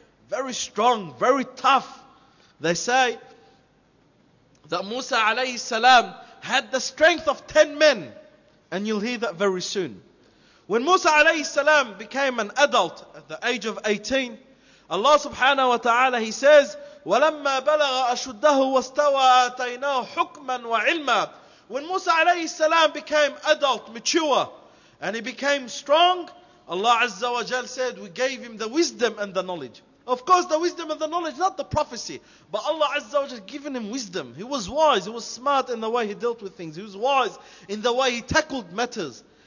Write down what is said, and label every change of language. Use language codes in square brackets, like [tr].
[en] Very strong, very tough. They say that Musa alayhi salam had the strength of 10 men. And you'll hear that very soon. When Musa alayhi salam became an adult at the age of 18, [ar] Allah subhanahu wa ta'ala, [en] he says, [ar] ولما بلغ أشده واستوى آتيناه حكما وعلما. [en] When Musa alayhi salam became adult, mature, and he became strong, Allah azza wa jal said, we gave him the wisdom and the knowledge. Of course, the wisdom and the knowledge, not the prophecy. But Allah Azza wa Jal given him wisdom. He was wise. He was smart in the way he dealt with things. He was wise in the way he tackled matters.